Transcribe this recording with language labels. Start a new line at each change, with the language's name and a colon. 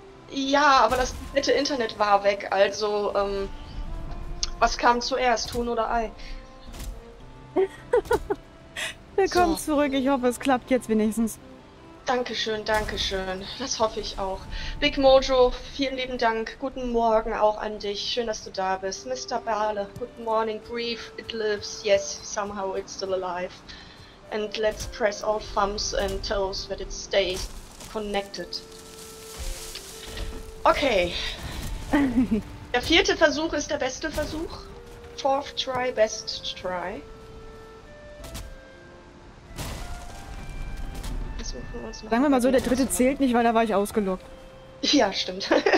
German: Ja, aber das nette Internet war weg, also was kam zuerst, Huhn oder Ei? Willkommen zurück, ich hoffe, es klappt jetzt wenigstens. Dankeschön, Dankeschön. Das hoffe ich auch. Big Mojo, vielen lieben Dank. Guten Morgen auch an dich. Schön, dass du da bist. Mr. Bale,
English: good morning. Grief, it lives. Yes, somehow it's still alive. And let's press all thumbs and toes that it stays connected. Okay.
German: Der vierte Versuch ist der beste Versuch.
English: Fourth try, best try.
German: Sagen wir mal so, der dritte zählt nicht, weil da war ich ausgelockt. Ja, stimmt.